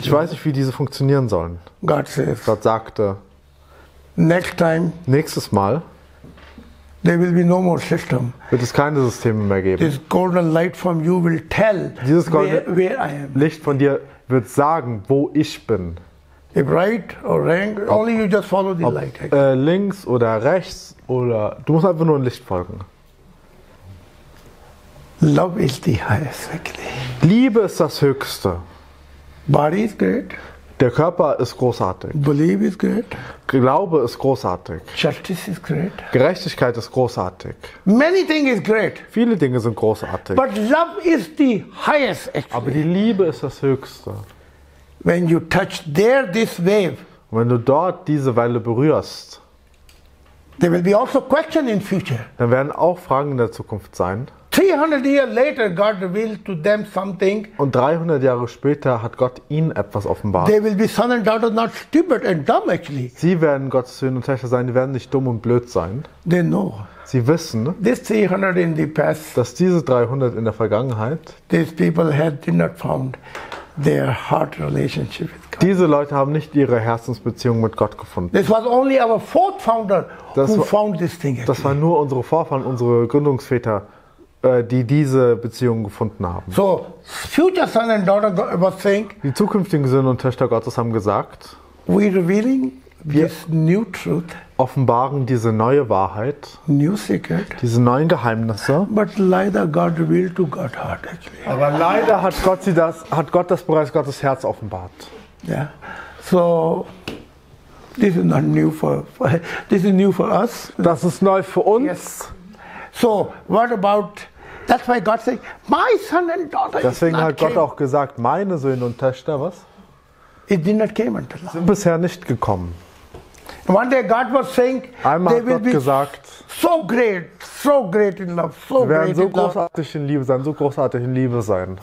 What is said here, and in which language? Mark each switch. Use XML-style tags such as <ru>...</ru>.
<de>ich weiß nicht, wie diese funktionieren sollen.</de> <en>God says,</en> <de>Gott sagte,</de> <en>next time,</en> <de>nächstes Mal,</de> <en>there will be no more system.</en> <de>Wird es keine Systeme mehr geben.</de> <en>This golden light from you will tell</en> <de>dieses goldene</de> <en>where I am.</en> <de>Licht von dir wird sagen, wo ich bin.</de> <en>If right or wrong, only you just follow the light.</en> <de>Links oder rechts oder du musst einfach nur ein Licht folgen.</de> <en>Love is the highest, actually.</en> <de>Liebe ist das Höchste.</de> <en>Body is great.</en> <de>Der Körper ist großartig.</de> <en>Believe is great.</en> <de>Glaube ist großartig.</de> <en>Justice is great.</en> <de>Gerechtigkeit ist großartig.</de> <en>Many things is great.</en> <de>Viele Dinge sind großartig.</de> <en>But love is the highest actually.</en> <de>Aber die Liebe ist das Höchste.</de> <en>When you touch there this wave,</en> <de>wenn du dort diese Welle berührst,</de> <en>there will be also question in future.</en> <de>Dann werden auch Fragen in der Zukunft sein.</de> <en>300 years later, God revealed to them something.</en> <de>Und 300 Jahre später hat Gott ihnen etwas offenbart.</de> <en>They will be son and daughter, not stupid and dumb actually.</en> <de>Sie werden Gottes Söhne und Töchter sein. Sie werden nicht dumm und blöd sein.</de> <en>They know.</en> <de>Sie wissen.</de> <en>This 300 in the past.</en> <de>Dass diese 300 in der Vergangenheit.</de> <en>These people had did not found their heart relationship with God.</en> <de>Diese Leute haben nicht ihre Herzensbeziehung mit Gott gefunden.</de> <en>This was only our fourth founder who found this thing. Actually.</en> <de>Das war nur unsere Vorfahren, unsere Gründungsväter. Die diese Beziehung gefunden haben.</de> <en>So, future son and daughter was saying,</en> <de>die zukünftigen Söhne und Töchter Gottes haben gesagt,</de> <en>we revealing this new truth,</en> <de>offenbaren diese neue Wahrheit,</de> <en>new secret,</en> <de>diese neuen Geheimnisse.</de> <en>But</en> <de>leider</de> <en>God revealed to God heart actually.</en> <de>Aber leider hat Gott sie das, hat Gott das bereits Gottes Herz offenbart.</de> <en>Yeah. So, this is not new for, this is new for us.</en> <de>Das ist neu für uns.</de> <en>Yes. So, what about, that's why God said, my son and daughter.</en> <de>Deswegen hat Gott auch gesagt, meine Söhne und Töchter, was?</de> <en>It did not came until now.</en> <de>Sind bisher nicht gekommen.</de> <en>One day God was saying,</en> <de>einmal</de> <en>they will</en> <de>Gott</de> <en>be</en> <de>gesagt,</de> <en>so great in love, so great in love.</en> <de>Wir werden so großartig in Liebe sein, so großartig in Liebe sein.</de>